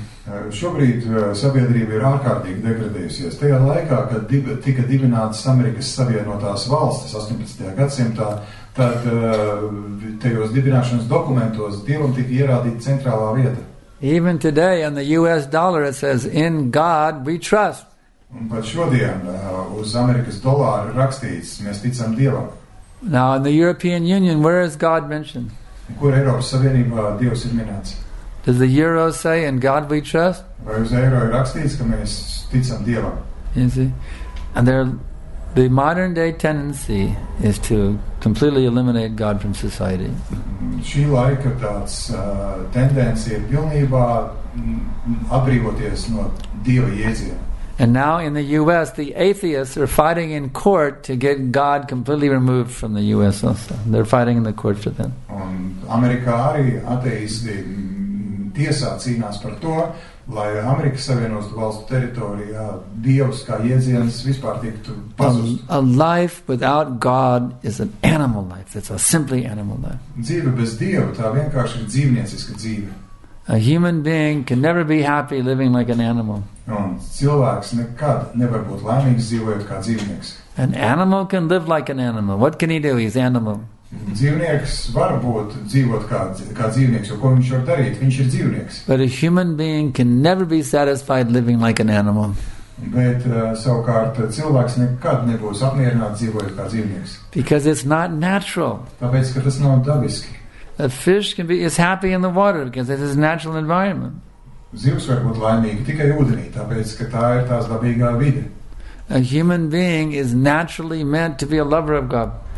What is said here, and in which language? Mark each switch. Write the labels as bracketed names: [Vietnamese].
[Latvian] Šobrīd sabiedrība ir ārkārtīgi degradējusies. Tajā laikā, kad tika dibinātas Amerikas Savienotās valstis 18. Gadsimtā, tad tajos dibināšanas dokumentos Dievam tika ierādīta centrālā vieta. [English] Even today on the US dollar it says in God we trust. [Latvian] Bet šodien uz Amerikas dolāru rakstīts mēs ticam Dievam. [English] Now in the European Union where is God mentioned? [Latvian] Kur Eiropas Savienībā Dievs ir minēts? [English] Does the euro say in God we trust? [Latvian] Vai uz euro ir rakstīts ka mēs ticam Dievam? [English] You see? And the modern day tendency is to completely eliminate God from society. [Latvian] Šī laika tāds tendence ir pilnībā atbrīvoties no Dieva jēdziena. [English] And now in the US the atheists are fighting in court to get God completely removed from the US also. They're fighting in the court for them. [Latvian] Un Amerikā arī ateisti tiesā cīnās par to, lai Amerikas Savienotu valstu teritorijā Dievs kā jēdziens vispār tiktu pazust. [English] A life without God is an animal life. It's a simply animal life. [Latvian] Dzīve bez Dieva, tā vienkārši ir dzīvnieciska dzīve. [English] A human being can never be happy living like an animal. [Latvian] Un cilvēks nekad nevar būt laimīgs dzīvojot kā dzīvnieks. [English] An animal can live like an animal. What can he do? He's animal. [Latvian] Dzīvnieks var būt dzīvot kā dzīvnieks, jo ko viņš var darīt? Viņš ir dzīvnieks. [English] But a human being can never be satisfied living like an animal. [Latvian] Bet savukārt cilvēks nekad nebūs apmierināts dzīvojot kā dzīvnieks. [English] Because it's not natural. [Latvian] Tāpēc, ka tas nav dabiski. [English] A fish can be is happy in the water because it's his natural environment. [Latvian] Zivs var būt laimīgi tikai ūdenī, tāpēc, ka tā ir tās dabīgā vide. [English] A human being is naturally meant to be a lover of God.